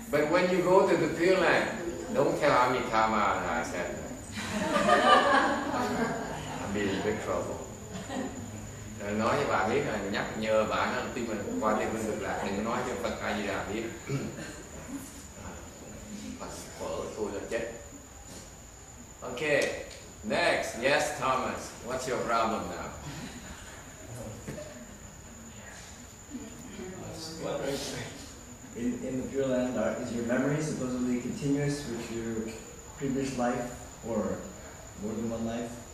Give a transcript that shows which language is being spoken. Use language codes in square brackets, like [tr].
[en] When you go to the Pure Land, don't tell Amitama, I said. I'm in big trouble. [vi] Nói cho bà biết là nhắc nhờ bà nó tin mình qua đây mình được lạc, đừng nói cho Phật A Di Đà biết. Vợ tôi là chết. [en] Okay, next, yes Thomas, what's your problem now? In the Pure Land, is your memory supposedly continuous with your previous life or more than one life?